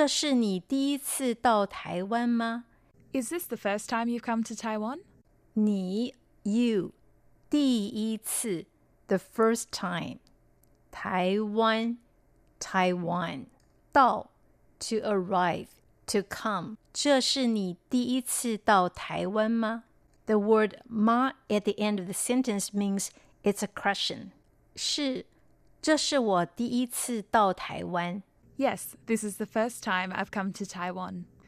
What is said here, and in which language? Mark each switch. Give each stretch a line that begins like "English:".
Chinese: 这是你第一次到台湾吗？
English: Is this the first time you've come to Taiwan? 你, you, 第一次, the first time. 台湾, Taiwan. 到, to arrive, to come.
Chinese: 这是你第一次到台湾吗?
English: The word ma at the end of the sentence means it's a question.
Chinese: 是, 这是我第一次到台湾.
English: Yes, this is the first time I've come to Taiwan.